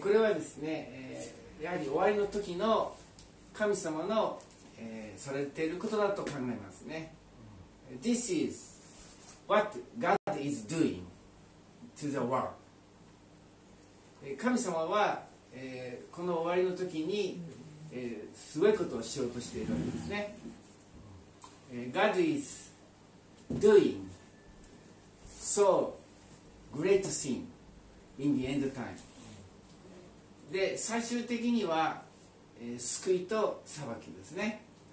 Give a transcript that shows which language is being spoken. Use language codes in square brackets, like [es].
[ja] これはですね、やはり終わりの時の神様の、されていることだと考えますね。 [en] This is what God is doing to the world. [ja] 神様は、この終わりの時に、すごいことをしようとしているわけですね。 [en] God is doing so great thing in the end time. [ja] で最終的には、救いと裁きですね。